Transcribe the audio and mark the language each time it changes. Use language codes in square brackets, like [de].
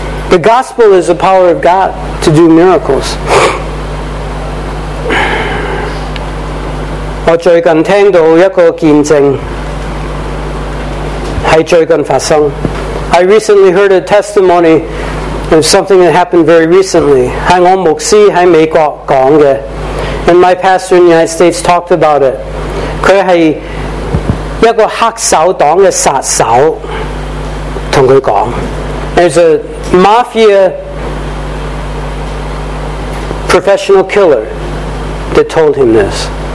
[en] The gospel is the power of God to do miracles. [yue] 我最近聽到一個見證，喺最近發生。 [en] I recently heard a testimony of something that happened very recently. [yue] 係我牧師喺美國講嘅。 [en] And my pastor in the United States [yue] talked about it. 佢係一個黑手黨嘅殺手同佢講。 [en] There's a mafia professional killer that told him this.